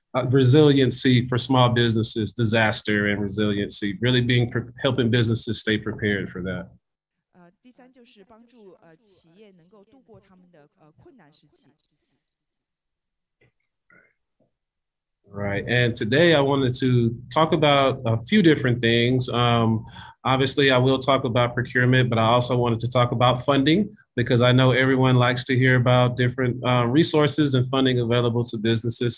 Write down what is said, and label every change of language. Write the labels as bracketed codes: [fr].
[en] Resiliency for small businesses, disaster and resiliency, really being helping businesses stay prepared for that. [zh] 第三就是帮助企业能够度过他们的困难时期。 [en] Right. And today I wanted to talk about a few different things. Obviously, I will talk about procurement, but I also wanted to talk about funding, because I know everyone likes to hear about different resources and funding available to businesses.